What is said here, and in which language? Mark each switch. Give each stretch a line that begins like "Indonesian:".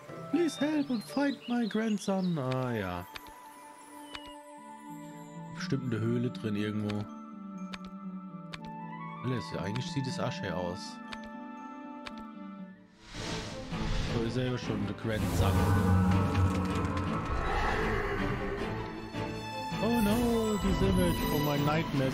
English: Please help and find my grandson.
German: Ah ja. Bestimmt eine Höhle drin irgendwo. Alles, eigentlich sieht es Asche aus. So ist er ja schon, der Grandson.
English: Oh no, this image from my nightmares.